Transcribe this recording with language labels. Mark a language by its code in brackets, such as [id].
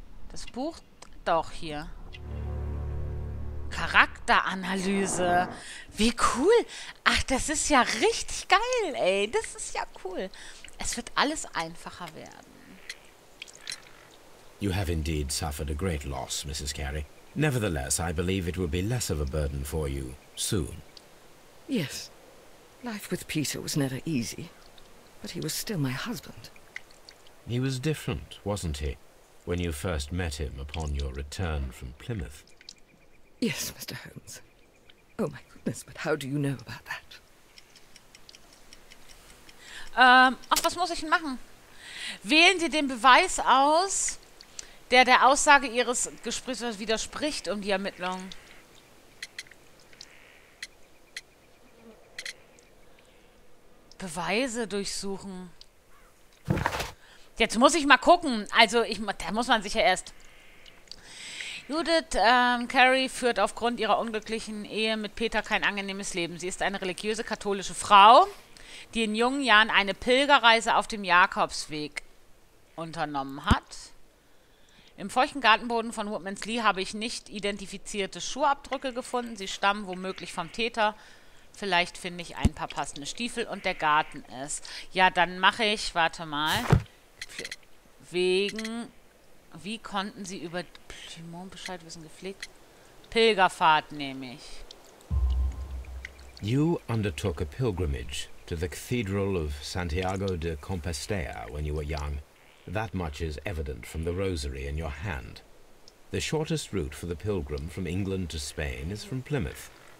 [de] Das Buch doch hier. Charakteranalyse. Wie cool. Ach, das ist ja richtig geil, ey. Das ist ja cool. Es wird alles einfacher werden. [en] You have indeed suffered a great loss, Mrs. Carey. Nevertheless, I believe it will be less of a burden for you soon. Yes. Life with Peter was never easy, but he was still my husband. He was different, wasn't he, when you first met him upon your return from Plymouth? Yes, Mr. Holmes. Oh my goodness, but how do you know about that? [de] Ach, was muss ich denn machen? Wählen Sie den Beweis aus, der Aussage Ihres Gesprächs widerspricht um die Ermittlung. Beweise durchsuchen. Jetzt muss ich mal gucken. Also, da muss man sich ja erst... Judith Carey führt aufgrund ihrer unglücklichen Ehe mit Peter kein angenehmes Leben. Sie ist eine religiöse katholische Frau, die in jungen Jahren eine Pilgerreise auf dem Jakobsweg unternommen hat. Im feuchten Gartenboden von Woodman's Lee habe ich nicht identifizierte Schuhabdrücke gefunden. Sie stammen womöglich vom Täter. Vielleicht finde ich ein paar passende Stiefel und der Garten ist. Ja, dann mache ich, warte mal. Wie konnten Sie über Plymouth Bescheid wissen, gepflegt? Pilgerfahrt nehme ich. [en] You undertook a pilgrimage to the Cathedral of Santiago de Compostela when you were young. That much is evident from the rosary in your hand. The shortest route for the pilgrim from England to Spain is from Plymouth.